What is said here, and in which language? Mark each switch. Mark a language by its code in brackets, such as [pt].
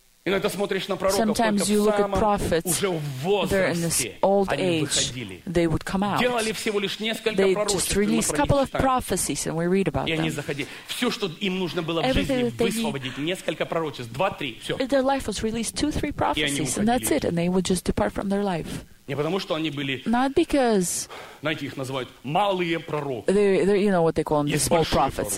[en] Sometimes you look at prophets, they're in this old age, they would come out. They just released a couple of prophecies, and we read about them. Everything that they need, their life was released, 2-3 prophecies, and that's it, and they would just depart from their life. [ru] Не потому что они были. [en] Not because. [ru] Знаете, их называют малые пророки. [en] They, you know what they call them, the small prophets.